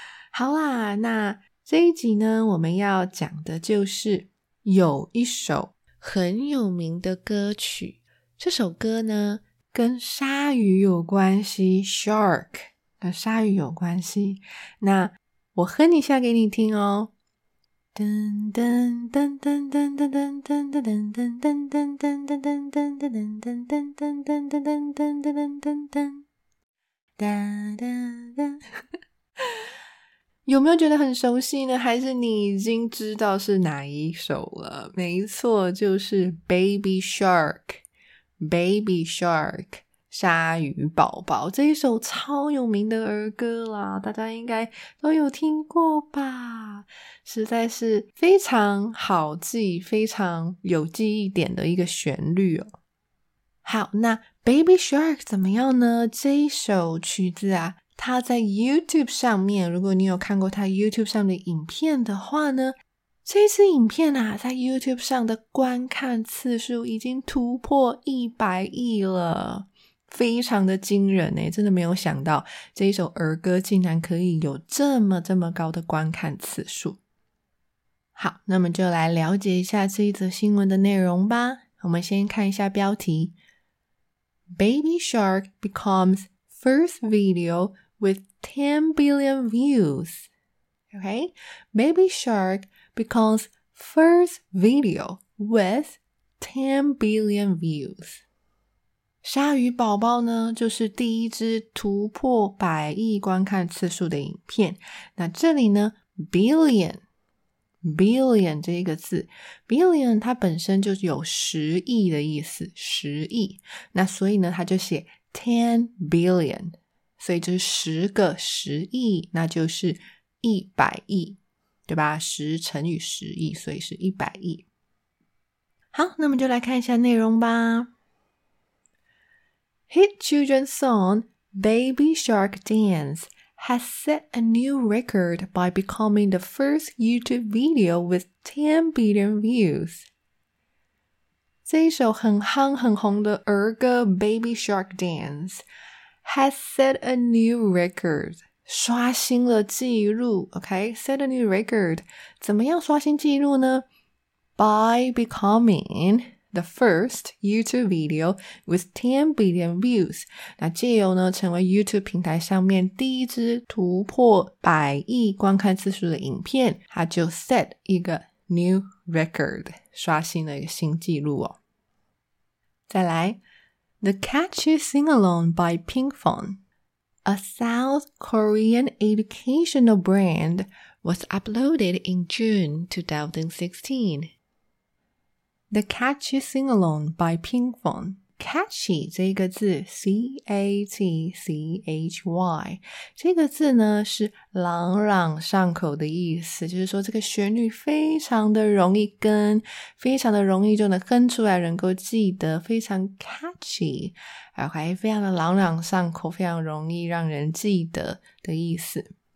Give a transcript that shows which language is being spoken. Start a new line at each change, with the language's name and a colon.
Chinese: 好啦，那这一集呢，我们要讲的就是有一首很有名的歌曲。这首歌呢，跟鲨鱼有关系 ,shark, 跟鲨鱼有关系。那我哼一下给你听哦。噔噔噔噔噔噔噔噔噔噔噔噔噔噔噔噔噔噔噔噔噔噔噔噔噔噔噔噔噔噔噔噔噔有没有觉得很熟悉呢？还是你已经知道是哪一首了？没错，就是 Baby Shark, Baby Shark, 鲨鱼宝宝，这一首超有名的儿歌啦，大家应该都有听过吧？实在是非常好记，非常有记忆点的一个旋律哦。好，那 Baby Shark 怎么样呢？这一首曲子啊，他在 YouTube 上面，如果你有看过他 YouTube 上的影片的话呢，这次影片啊，在 YouTube 上的观看次数已经突破100亿了，非常的惊人，真的没有想到这一首儿歌竟然可以有这么高的观看次数。好，那么就来了解一下这一则新闻的内容吧。
English: 我们先看一下标题， Baby Shark becomesFirst video with 10 billion views. Okay, Baby Shark becomes first video with 10 billion views.
Chinese: 鲨鱼宝宝呢，就是第一支突破百亿观看次数的影片。那这里呢 ,billion 这个字 ,billion 它本身就有十亿的意思，十亿。那所以呢，它就写10 billion, 所以这是十个十亿，那就是100亿，对吧？十乘以十亿，所以是100亿。好，那么就来看一下内容吧。
English: Hit children's song Baby Shark Dance has set a new record by becoming the first YouTube video with 10 billion views.
Chinese: 这一首很夯很红的儿歌
English: Baby Shark Dance has set a new record,
Chinese: 刷新了记录 OK,
English: set a new record,
Chinese: 怎么样刷新记录呢？
English: By becoming the first YouTube video with 10 billion views,
Chinese: 那藉由呢成为 YouTube 平台上面第一支突破百亿观看次数的影片，它就 set 一个New record, 刷新了一个新纪录哦。
English: 再来 ,The catchy sing-along by Pinkfong, a South Korean educational brand, was uploaded in June 2016. The catchy sing-along by Pinkfong,
Chinese: catchy 这个字 ,C-A-T-C-H-Y, 这个字呢是朗朗上口的意思，就是说这个旋律非常的容易跟，非常的容易就能哼出来，能够记得，非常 catchy, OK, 非常的朗朗上口，非常容易让人记得的意思。